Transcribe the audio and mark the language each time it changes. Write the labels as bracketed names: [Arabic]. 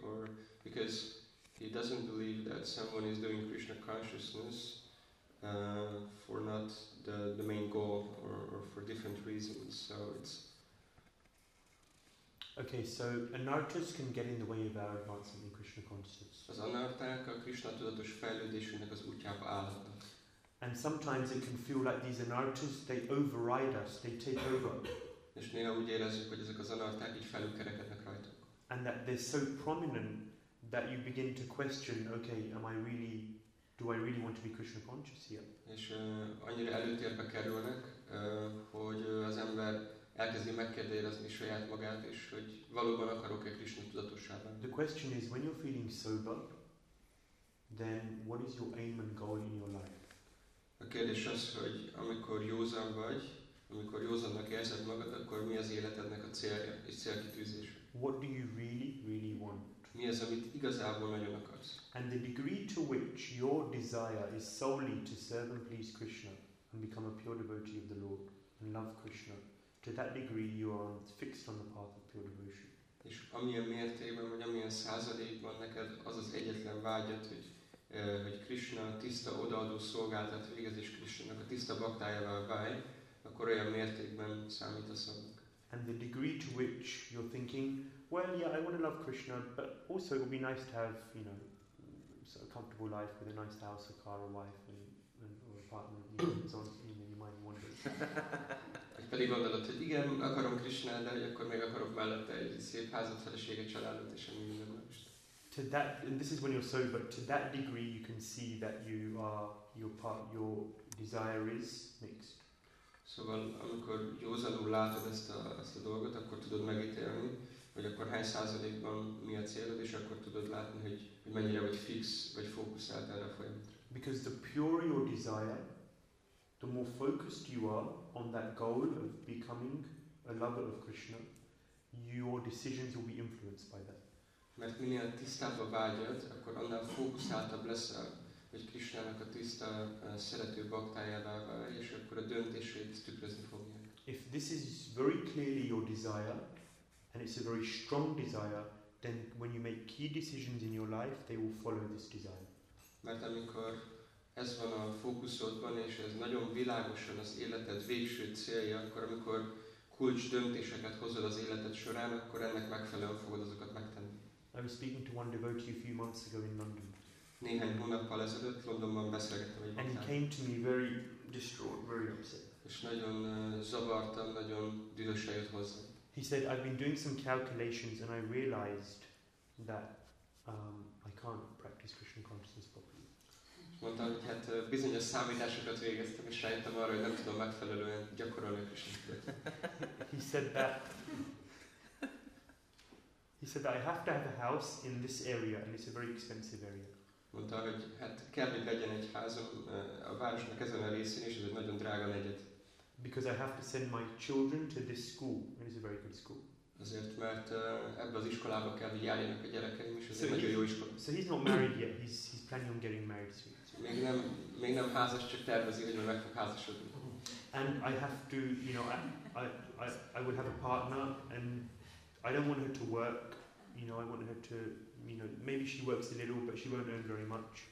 [English] Or because he doesn't believe that someone is doing Krishna consciousness for not the main goal or for different reasons. So it's okay. So anarthas can get in the way of our advancing in Krishna consciousness. [Hungarian] Az anarthák a Krishna tudatos fejlődésünknek az útjába állnak. [English] And sometimes it can feel like these anarthas, they override us, they take over. [Hungarian] És néha úgy érezzük, hogy ezek az anarthák így felülkerekednek rajtuk. [English] And that they're so prominent that you begin to question, okay, do I really want to be Krishna conscious here? [Hungarian] És annyira előtérbe kerülnek, hogy az ember elkezdi megkérdezni saját magát, és hogy valóban akarok-e Krishna tudatossága. [English] The question is, when you're feeling sober, then what is your aim and goal in your life? [Hungarian] A kérdés az, hogy amikor józan vagy, amikor józannak érzed magad, akkor mi az életednek a célja és célkitűzés? [English] What do you really, really want? [Hungarian] Mi az, amit igazából nagyon akarsz? [English] And the degree to which your desire is solely to serve and please Krishna and become a pure devotee of the Lord and love Krishna, to that degree you are fixed on the path of pure devotion. [Hungarian] És amilyen mértékben vagy amilyen százalékban neked az az egyetlen vágyat, hogy Krishna tiszta odaadó szolgáltat végez és Krishnának a tiszta baktájával válj, akkor olyan mértékben számítasz annak. [English] And the degree to which you're thinking, well, yeah, I want to love Krishna, but also it would be nice to have, you know, sort of comfortable life with a nice house, a car, a wife, and or a partner, you know, and so on, you know, you might wonder. [Hungarian] Egy pedig gondolod, hogy igen, akarom Krishna, de akkor még akarok mellette egy szép házat, feleséget, családot, és ennyi minden más. [English] To that, and this is when you're sober, to that degree you can see that you are, your desire is mixed. [Hungarian] Szóval, amikor józanul látod ezt a dolgot, akkor tudod megítélni, hogy akkor hány százalékban mi a célod, és akkor tudod látni, hogy mennyire vagy fix, vagy fókuszált erre a folyamatra. [English] Because the purer your desire, the more focused you are on that goal of becoming a lover of Krishna, your decisions will be influenced by that. [Hungarian] Mert minél tisztább a vágyad, akkor annál fókuszáltabb leszel, hogy Krishnának a tiszta szerető baktájává válj, és akkor a döntéseit tükrözni fogja. [English] If this is very clearly your desire, and it's a very strong desire, then when you make key decisions in your life, they will follow this desire. [Hungarian] Mert amikor ez van a fókuszodban, és ez nagyon világosan az életed végső célja, akkor amikor kulcs döntéseket hozod az életed során, akkor ennek megfelelően fogod azokat megtenni. [English] I was speaking to one devotee a few months ago in London. [Hungarian] Néhány hónappal ezelőtt Londonban beszélgettem egy [English] And he came to me very distraught, very upset. [Hungarian] És nagyon zavartam, nagyon dühösen jött hozzá. [English] He said, I've been doing some calculations and I realized that I can't practice Krishna consciousness properly. [Hungarian] Mondta, hogy hát bizonyos számításokat végeztem, és rájöttem arra, hogy nem tudom megfelelően gyakorolni a Krishna [English] consciousness. He said that I have to have a house in this area and it's a very expensive area. [Hungarian] Mondta, hogy hát kell, hogy legyen egy házom a városnak ezen a részén, és ez egy nagyon drága negyed. [English] Because I have to send my children to this school, and it's a very good school. [Hungarian] Azért, mert ebbe az iskolába kell, hogy járjanak a gyerekeim, és ez egy nagyon jó iskola. [English] So he's not married yet. He's planning on getting married soon. [Hungarian] Még nem házas, csak tervezi, hogy meg fog házasodni. [English] And I have to, you know, I would have a partner, and I don't want her to work. You know, I want her to, you know, maybe she works a little, but she won't earn very much.